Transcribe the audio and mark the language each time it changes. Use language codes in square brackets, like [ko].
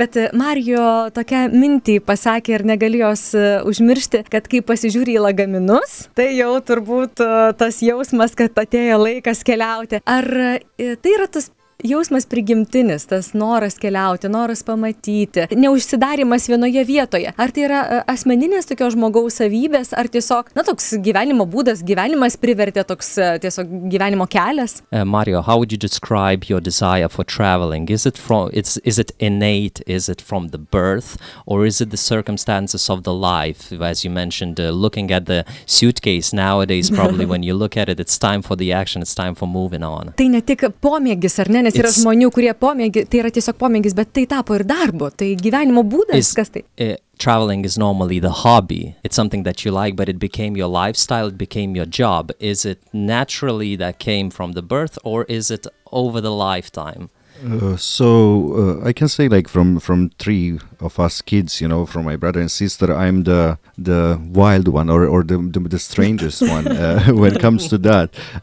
[lt] Bet Mario tokia mintį pasakė ir negali jos užmiršti, kad kai pasižiūri į lagaminus, tai jau turbūt tas jausmas, kad atėjo laikas keliauti. Ar tai yra tas jausmas prigimtinis, tas noras keliauti, noras pamatyti, neužsidarimas vienoje vietoje? Ar tai yra asmeninės tokio žmogaus savybės, ar tiesiog, na, toks gyvenimo būdas, gyvenimas privertė, toks tiesiog gyvenimo kelias? [en] Mario, how would you describe your desire for traveling? Is it innate? Is it from the birth? Or is it the circumstances of the life? As you mentioned, looking at the suitcase nowadays, probably when you look at it, it's time for the action, it's time for moving on. [lt] Tai ne tik pomėgis, ar ne? Nes yra žmonių, kurie pomėgi, tai yra tiesiog pomėgis, bet tai tapo ir darbu, tai gyvenimo būdas, kas tai? [en] Traveling is normally the hobby. It's something that you like, but it became your lifestyle, it became your job. Is it naturally that came from the birth, or is it over the lifetime? I can say, like, from three of us kids, you know, from my brother and sister, I'm the wild one, or the strangest one when it comes to that.